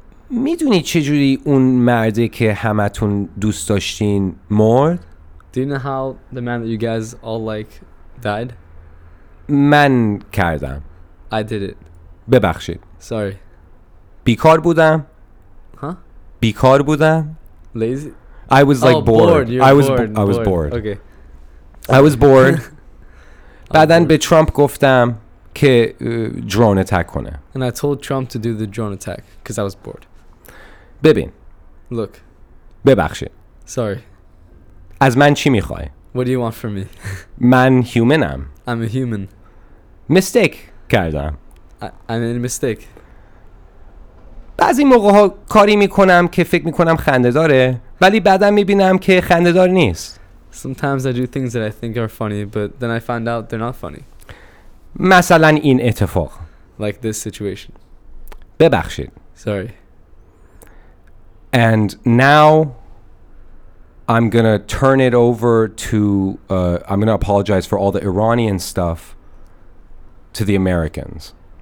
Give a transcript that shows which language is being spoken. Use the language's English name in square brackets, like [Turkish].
[Persian] میدونی چجوری اون مردی که همتون دوست داشتین مرد؟ [English] Do you know how the man that you guys all like died? [Persian] من کردم. [English] I did it. [Persian] ببخشید. [English] Sorry. [Persian] بیکار بودم. [English] Huh? [Persian] بیکار بودم. [English] Lazy. I was like bored. I was bored. Okay. I was bored. [Persian] بعدن به ترامپ گفتم که درون اتاک کنه. [English] And I told Trump to do the drone attack because I was bored. [Persian] ببین. [English] Look. [Persian] ببخشید. [English] Sorry. [Persian] از من چی میخوای؟ [English] What do you want from me? [Persian] من humanم. [English] I'm a human. [Persian] Mistake کردم. [English] I made a mistake. [Persian] بعضی موقع ها کاری میکنم که فکر میکنم خنده داره ولی بعدم میبینم که خنده دار نیست. [English] Sometimes I do things that I think are funny but then I find out they're not funny. [Persian] مثلا این اتفاق. [English] Like this situation. [Persian] ببخشید. [English] Sorry. And now I'm gonna turn it over to I'm gonna apologize for all the Iranian stuff to the Americans.